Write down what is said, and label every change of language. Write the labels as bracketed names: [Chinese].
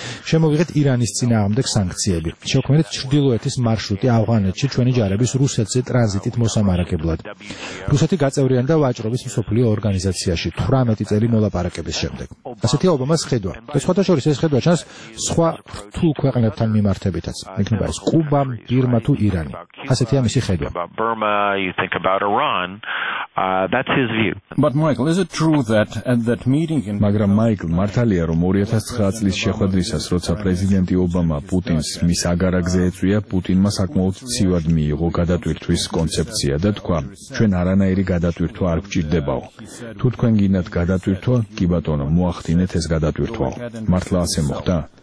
[Georgian] შემოვიღეთ ირანის წინააღმდეგ სანქციები. შევქმნით ჩრდილოეთის მარშრუტი ავღანეთში ჩვენი ჯარების რუსეთზე ტრანზიტით მოსამარაგებლად. რუსეთი გაწევრიანდა ვაჭრობის მსოფლიო ორგანიზაციაში 18 წელი მოლაპარაკების შემდეგ. ასეთია ობამას ხედვა. და სხვათა შორის ეს ხედვა ჩანს სხვა რთულ ქვეყნებთან მიმართებითაც. იქნება ეს კუბა, ბირმა თუ ირანი. ასეთია მისი ხედვა. [English] But Michael, is it true that at that meeting in [Georgian] მაგრამ მაიკლ, მართალია რომ 2009 წლის შეხვედრისას, როცა პრეზიდენტი ობამა პუტინს მის აგარაკზე ეწვია, პუტინმა საკმაოდ ცივად მიიღო გადატვირთვის კონცეფცია და თქვა: ჩვენ არანაირი გადატვირთვა არ გვჭირდებაო. თუ თქვენ გინდათ გადატვირთვა, კი ბატონო, მოახდინეთ ეს გადატვირთვაო. მართლა ასე მოხდა?